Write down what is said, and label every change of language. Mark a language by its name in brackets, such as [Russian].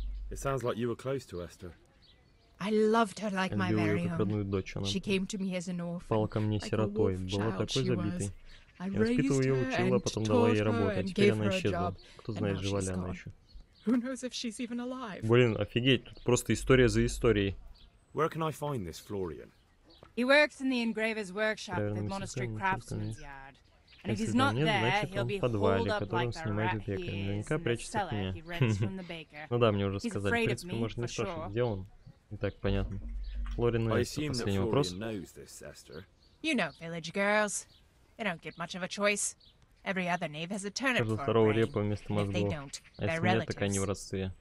[English] It sounds like you were close to Esther. I loved her like my very own. She came to me as an orphan, like a wolf child she was. I raised her and taught her and gave her a job, and now she's gone. Who knows if she's even alive? [Russian] Блин, офигеть, тут просто история за историей. [English] Where can I find this Florian? He works in the engraver's workshop at the monastery craftsman's yard. And if he's not there, he'll be holed up like a rat here in the cellar he rents from the baker. He's afraid of me, for sure. [Russian] Итак, понятно. Флорин, последний вопрос. [English] You know, village girls, they don't get much of a choice. Every other knave has a turnip for [Russian] второго репа вместо мозгов. А если нет, так они в родстве.